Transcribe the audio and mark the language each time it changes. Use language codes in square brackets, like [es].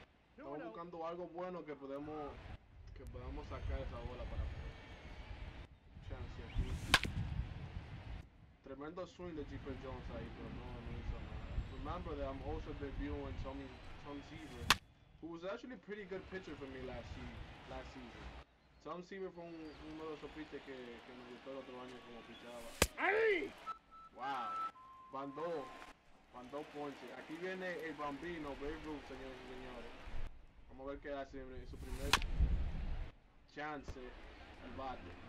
[es] Estamos buscando algo bueno que podamos sacar esa bola para poder. Chance aquí. Tremendo swing de Cheaper Jones ahí, pero no hizo nada. [en] Remember that I'm also debuting Tom Seaver, who was actually a pretty good pitcher for me last season. [es] Tom Seaver fue uno de esos pitchers que me gustó el otro año como pichaba. ¡Ay! ¡Wow! Van dos ponches. Aquí viene el bambino, Babe Ruth, señores y señores. Vamos a ver qué hace en su primer chance el bate.